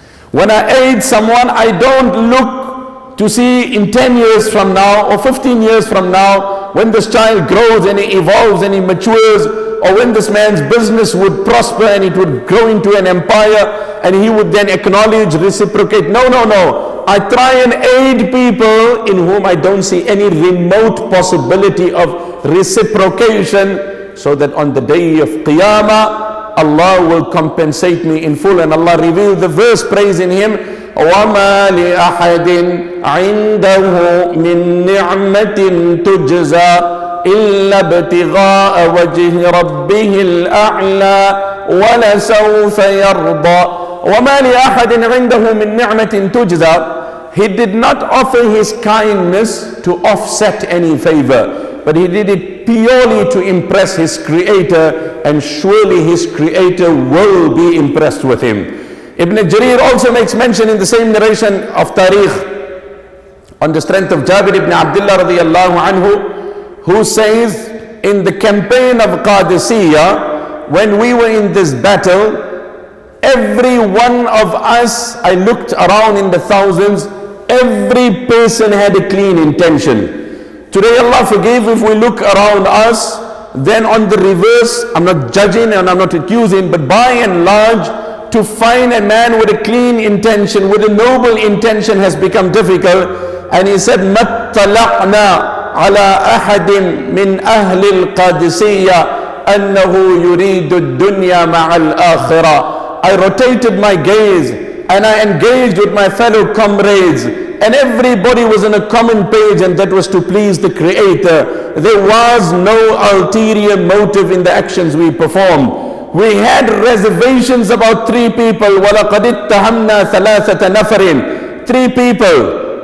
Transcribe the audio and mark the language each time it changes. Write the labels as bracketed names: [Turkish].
[English] When I aid someone, I don't look to see in 10 years from now or 15 years from now, when this child grows and he evolves and he matures, or when this man's business would prosper and it would grow into an empire and he would then acknowledge, reciprocate. No. I try and aid people in whom I don't see any remote possibility of reciprocation, so that on the day of Qiyamah, Allah will compensate me in full. And Allah revealed the verse praising him, [Arabic] وَمَا لِأَحَدٍ عِنْدَهُ مِن نِعْمَةٍ تُجْزَى إِلَّا ابْتِغَاءَ وَجِهِ رَبِّهِ الْأَعْلَى وَلَسَوْفَ يَرْضَى. وَمَا لِأَحَدٍ عِنْدَهُ مِن نِعْمَةٍ تُجْزَى. [English] He did not offer his kindness to offset any favor, but he did it purely to impress his creator, and surely his creator will be impressed with him. Ibn Jarir also makes mention in the same narration of Tariq on the strength of Jabir ibn Abdullah radiallahu anhu, who says, in the campaign of Qadisiyah, when we were in this battle, every one of us, I looked around in the thousands, every person had a clean intention. Today Allah forgive, if we look around us, then on the reverse, I'm not judging and I'm not accusing, but by and large, to find a man with a clean intention, with a noble intention, has become difficult. And he said, [Arabic] مَتَّلَعْنَا عَلَىٰ أَحَدٍ مِّنْ أَهْلِ الْقَادِسِيَّةِ أَنَّهُ يُرِيدُ الدُّنْيَا مَعَ الْآخِرَةِ. [English] I rotated my gaze, and I engaged with my fellow comrades, and everybody was on a common page, and that was to please the Creator. There was no ulterior motive in the actions we performed. We had reservations about three people. [Arabic] وَلَقَدِ اتَّهَمْنَا ثَلَاثَةَ نَفَرٍ. [English] Three people.